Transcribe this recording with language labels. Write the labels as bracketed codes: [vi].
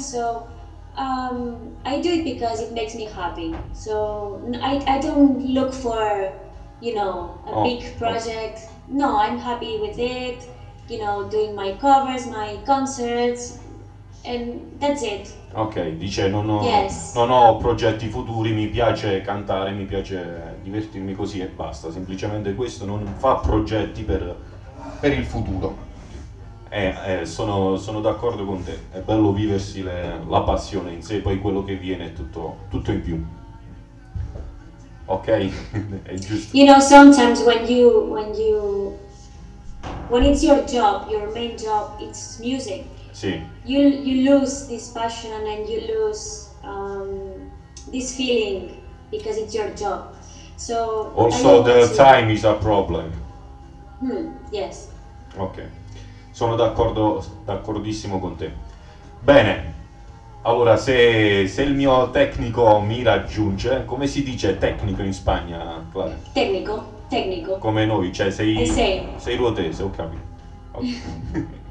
[en] So I do it because it makes me happy. So I don't look for, you know, a big project. No, I'm happy with it. You know, doing my covers, my concerts, and that's it. [it] Ok, dice non ho progetti futuri, mi piace cantare, mi piace divertirmi così e basta, semplicemente questo, non fa progetti per il futuro. Sono d'accordo con te, è bello viversi la passione in sé, poi quello che viene è tutto in più. Ok, è giusto. [en] You know, sometimes when it's your job, your main job, it's music. [it] Sì. [en] You lose this passion and you lose this feeling because it's your job. So also the time is a problem. Yes. Ok. [it] Sono d'accordissimo con te. Bene. Allora, se il mio tecnico mi raggiunge, come si dice tecnico in Spagna? Clara? Tecnico. Come noi, cioè sei ruotese, ho capito. Ok.